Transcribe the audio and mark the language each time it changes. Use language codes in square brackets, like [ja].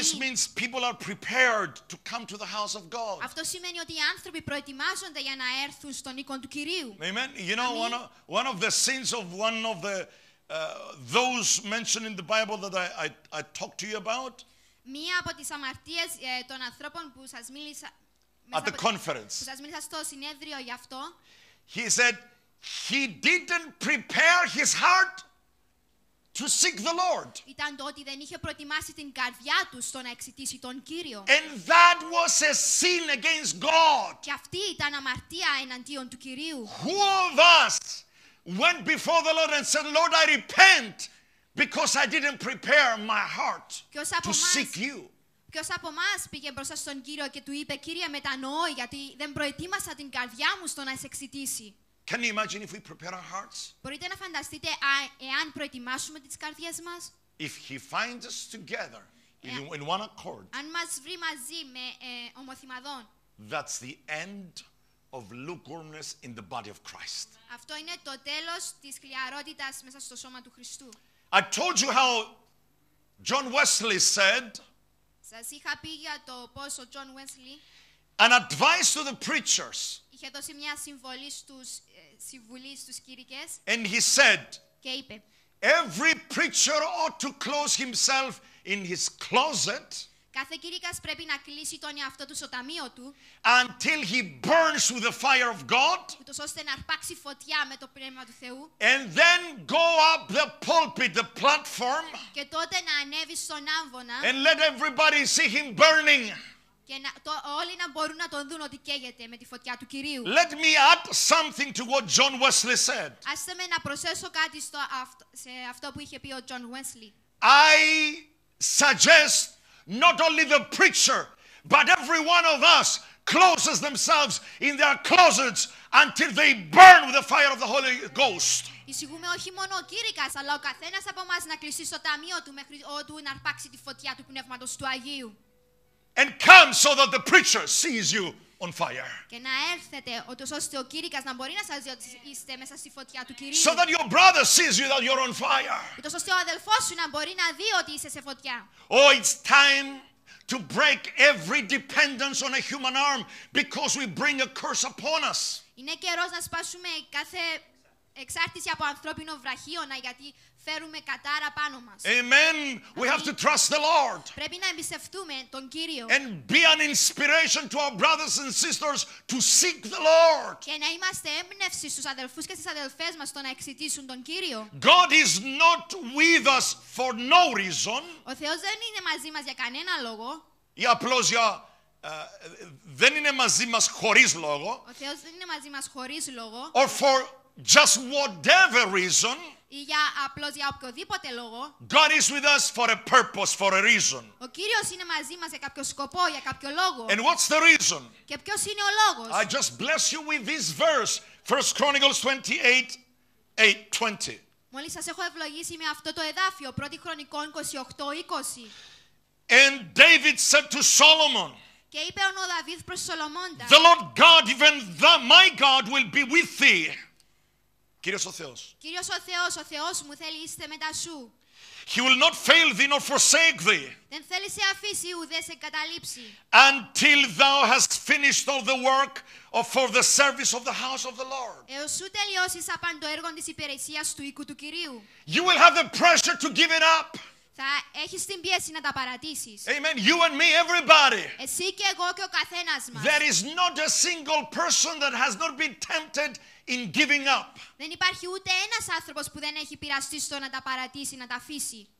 [en] This means people are prepared to come to the house of God. [el] Αυτό σημαίνει ότι οι άνθρωποι προετοιμάζονται για να έρθουν στον οίκον του Κυρίου. [en] Amen. You know, one of the sins of one of the those mentioned in the Bible that I talked to you about. [el] Μία από τις αμαρτίες των ανθρώπων που σας μίλησα. [en] At the conference. [el] Που σας μίλησα στο συνέδριο γι' αυτό. [en] He said he didn't prepare his heart to seek the Lord. [el] Ήταν το ότι δεν είχε προετοιμάσει την καρδιά του στο να εξητήσει τον Κύριο. [en] And that was a sin against God. [el] Και αυτή ήταν αμαρτία εναντίον του Κυρίου. [en] Who of us went before the Lord and said, Lord, I repent because I didn't prepare my heart to seek you. [el] Ποιος από εμάς πήγε μπροστά στον Κύριο και του είπε, Κύριε, μετανοώ γιατί δεν προετοίμασα την καρδιά μου στο να σε εξητήσει. [en] Can you imagine if we prepare our hearts? [el] Μπορείτε να φανταστείτε εάν προετοιμάσουμε τις καρδιές μας? [en] If he finds us together in one accord. [el] Αν μας βρει μαζί με ομοθυμαδόν. [en] That's the end of lukewarmness in the body of Christ. [el] Αυτό είναι το τέλος της χλιαρότητας μέσα στο σώμα του Χριστού. [en] I told you how John Wesley said. [el] Σας είχα πει για το πόσο John Wesley. [en] An advice to the preachers. [el] Είχε δώσει μια συμβολή στους συμβουλείς, στους κήρυκες. [en] And he said. [el] Και είπε. [en] Every preacher ought to close himself in his closet. [el] Κάθε κήρυκας πρέπει να κλείσει τον εαυτό του στο ταμείο του. [en] Until he burns with the fire of God. [el] Ούτως ώστε να αρπάξει φωτιά με το πνεύμα του Θεού. [en] And then go up the pulpit, the platform. [el] Και τότε να ανέβει στον άμβονα. [en] And let everybody see him burning. [el] Και όλοι να μπορούν να τον δουν ότι καίγεται με τη φωτιά του Κυρίου. [en] Let me add something to what John Wesley said. [el] Άσε με να προσθέσω κάτι σε αυτό που είχε πει ο John Wesley. [en] I suggest not only the preacher, but every one of us closes themselves in their closets until they burn with the fire of the Holy Ghost. [el] Εισηγούμε όχι μόνο ο κήρυκας, αλλά ο καθένας από μας να κλειστεί στο ταμείο του μέχρι ότου να αρπάξει τη φωτιά του πνεύματος του Αγίου. [en] And come so that the preacher sees you on fire. [el] Και να έρθετε, ότως ώστε ο κήρυκας να μπορεί να σας δει ότι είστε μέσα στη φωτιά του Κυρίου. [en] So that your brother sees you that you're on fire. [el] Ότως ώστε ο αδελφός σου να μπορεί να δει ότι είσαι σε φωτιά. [en] Oh, it's time to break every dependence on a human arm because we bring a curse upon us. [el] Είναι καιρός να σπάσουμε κάθε εξάρτηση από ανθρώπινο βραχίωνα γιατί φέρουμε κατάρα πάνω μας. [en] Amen. We have to trust the Lord. [el] Πρέπει να εμπιστευτούμε τον Κύριο. [en] And be an inspiration to our brothers and sisters to seek the Lord. [el] Και να είμαστε έμπνευση στους αδελφούς και στις αδελφές μας στο να εξητήσουν τον Κύριο. [en] God is not with us for no reason. [el] Ο Θεός δεν είναι μαζί μας για κανένα λόγο. Ή απλώς για δεν είναι μαζί μας χωρίς λόγο. Ο Θεός δεν είναι μαζί μας χωρίς λόγο. [en] Or for just whatever reason. [el] Ή για απλώς για οποιοδήποτε λόγο. [en] God is with us for a purpose, for a reason. [el] Ο Κύριος είναι μαζί μας για κάποιο σκοπό, για κάποιο λόγο. [en] And what's the reason? [el] Και ποιος είναι ο λόγος? [en] I just bless you with this verse, 1 Chronicles 28:20. [el] Μόλις σας έχω ευλογήσει με αυτό το εδάφιο, 1 Χρονικών 28:20. [en] And David said to Solomon. [el] Και είπε ο Δαβίδ προς Σολομώντα. [en] The Lord God, even my God, will be with thee. [el] Κύριος ο Θεός μου θέλει είστε μετά σου. [en] He will not fail thee nor forsake thee. [el] Δεν θέλει σε αφήσει ουδέ σε καταλήψει. [en] Until thou hast finished all the work of for the service of the house of the Lord. [el] Έως ου τελειώσεις απάν το έργο της υπηρεσίας του οίκου του Κυρίου. [en] You will have the pressure to give it up. [el] Θα έχεις την πίεση να τα παρατήσεις. [en] Amen. You and me, everybody. [el] Εσύ και εγώ και ο καθένας μας. [en] There is not a single person that has not been tempted in giving up. [el] Δεν υπάρχει ούτε ένας άνθρωπος που δεν έχει πειραστεί στο να τα παρατήσει, να τα αφήσει.